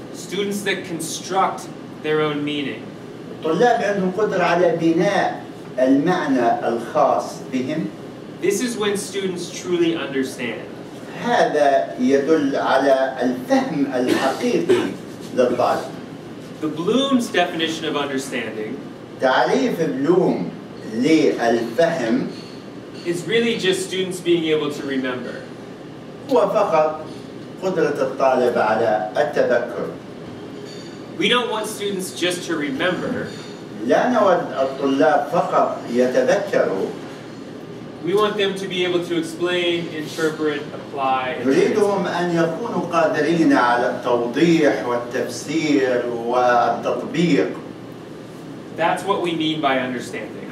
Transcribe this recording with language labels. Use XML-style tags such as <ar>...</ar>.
<en>Students that construct their own meaning.</en> <ar>طلاب عندهم قدرة على بناء المعنى الخاص بهم.</ar> <en>This is when students truly understand.</en> <ar>هذا يدل على الفهم الحقيقي للطالب.</ar> <en>The Bloom's definition of understanding.</en> <ar>تعريف بلوم للفهم.</ar> <en>Is really just students being able to remember.</en> <ar>هو فقط قدرة الطالب على التذكر.</ar> <en>We don't want students just to remember.</en> <ar>لا نود الطلاب فقط يتذكروا.</ar> <en>We want them to be able to explain, interpret, apply.</en> <ar>نريدهم أن يكونوا قادرين على التوضيح والتفسير والتطبيق.</ar> <en>That's what we mean by understanding.</en>